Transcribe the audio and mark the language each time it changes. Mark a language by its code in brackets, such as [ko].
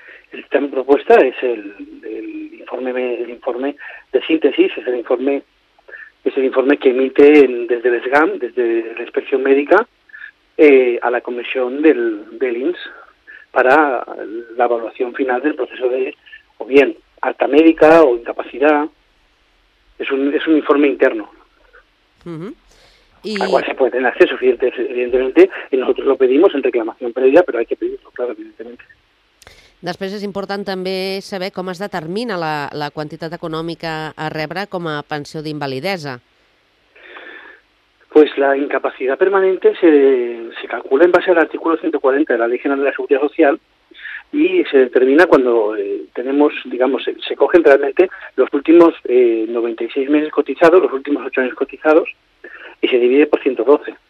[es] El dictamen propuesta es el informe de síntesis, es el informe que emite desde el SGAM, desde la Inspección Médica, a la comisión del INSS para la evaluación final del proceso de, o bien, alta médica o incapacidad. Es un informe interno. Al cual se puede tener acceso, evidentemente, y nosotros lo pedimos en reclamación previa, pero hay que pedirlo, claro, evidentemente. [ca] Després és important també saber com es determina la quantitat econòmica a rebre com a pensió d'invalidesa. [es] Pues la incapacidad permanente se calcula en base al artículo 140 de la Ley General de la Seguridad Social y se determina cuando tenemos, digamos, se cogen realmente los últimos 96 meses cotizados, los últimos 8 años cotizados, y se divide por 112.